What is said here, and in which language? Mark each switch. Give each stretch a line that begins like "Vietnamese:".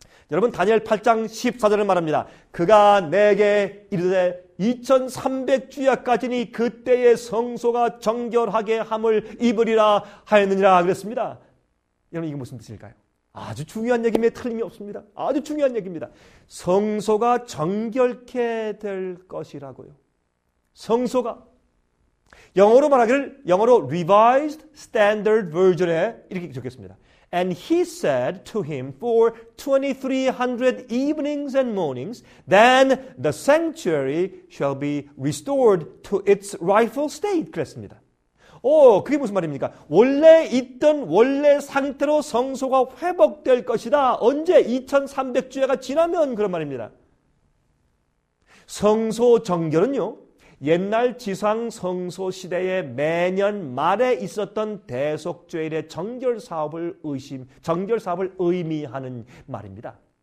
Korean: 여러분 다니엘 8장 14절을 말합니다. 그가 내게 이르되 2300주야까지니 그때의 성소가 정결하게 함을 입으리라 하였느니라 그랬습니다. 여러분 이게 무슨 뜻일까요? 아주 중요한 얘기입니다. 틀림이 없습니다. 아주 중요한 얘기입니다. 성소가 정결케 될 것이라고요. 성소가 영어로 말하기를 영어로 Revised Standard Version에 이렇게 적겠습니다.
English: And he said to him for 2300 evenings and mornings, then the sanctuary shall be restored to its rightful state.
Korean: 그랬습니다. 오, 그게 무슨 말입니까? 원래 있던 원래 상태로 성소가 회복될 것이다. 언제? 2300주야가 지나면 그런 말입니다. 성소 정결은요, 옛날 지상 성소 시대에 매년 말에 있었던 대속죄일의 정결 사업을 의미하는 말입니다.